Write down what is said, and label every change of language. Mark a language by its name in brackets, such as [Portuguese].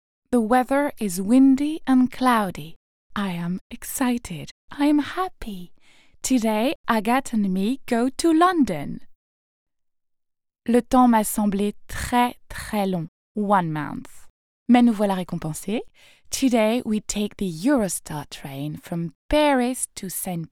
[English] The weather is windy and cloudy. I am excited. I am happy. Today, Agathe and me go to London. [French] Le temps m'a semblé très, très long. [English] 1 month. [French] Mais nous voilà récompensés. [English] Today, we take the Eurostar train from Paris to St.